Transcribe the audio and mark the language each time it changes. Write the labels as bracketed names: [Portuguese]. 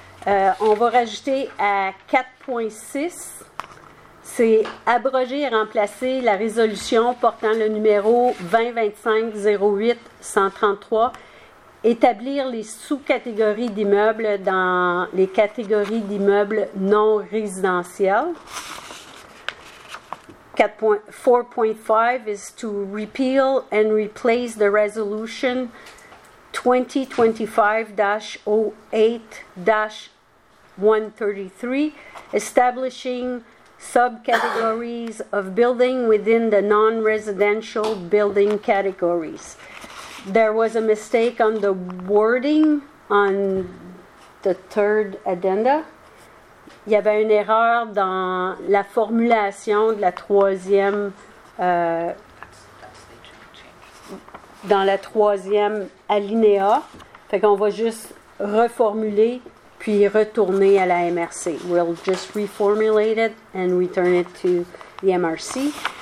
[French] On va rajouter à 4.6, c'est abroger et remplacer la résolution portant le numéro 2025-08-133, établir les sous-catégories d'immeubles dans les catégories d'immeubles non résidentiels. [English] 4.5 is to repeal and replace the resolution 2025-08-133, establishing subcategories of building within the non-residential building categories. There was a mistake on the wording on the third addenda. [French] Il y avait une erreur dans la formulation de la troisième alinéa. Fait qu'on va juste reformuler puis retourner à la MRC. [English] We'll just reformulate it and return it to the MRC.